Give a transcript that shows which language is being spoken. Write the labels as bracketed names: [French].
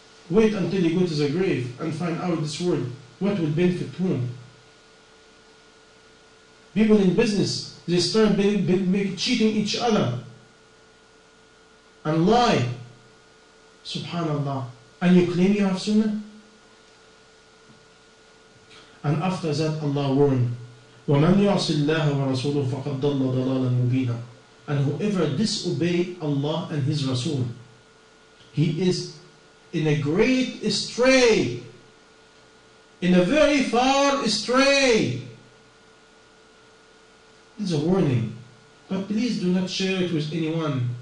[English] Wait until you go to the grave and find out this word. What would benefit whom? People in business, they start cheating each other and lie. Subhanallah. And you claim you have sunnah? And after that, Allah warned, [Arabic] وَمَنْ يُعْصِ اللَّهَ وَرَسُولُهُ فَقَدْ ضَلَّ ضَلَالًا مُبِينًا. [English] And whoever disobey Allah and His Rasul, he is in a great stray, in a very far stray. This is a warning. But please do not share it with anyone.